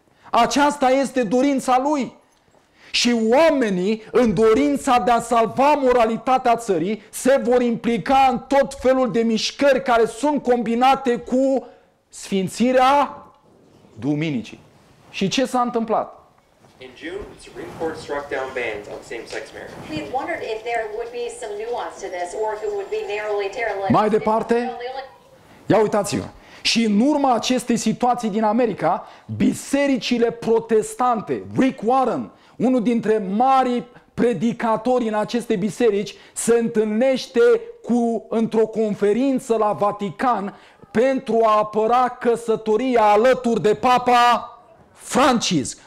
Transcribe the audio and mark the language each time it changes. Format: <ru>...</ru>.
<ro>Aceasta este dorința lui. Și oamenii, în dorința de a salva moralitatea țării, se vor implica în tot felul de mișcări care sunt combinate cu sfințirea duminicii. Și ce s-a întâmplat?</ro> <en>In June, the Supreme Court struck down bans on same-sex marriage. We've wondered if there would be some nuance to this or if it would be narrowly tailored.</en> <ro>Mai departe? Ia uitați-vă. Și în urma acestei situații din America, bisericile protestante, Rick Warren, unul dintre marii predicatori în aceste biserici, se întâlnește într-o conferință la Vatican pentru a apăra căsătoria alături de Papa Francis.</ro>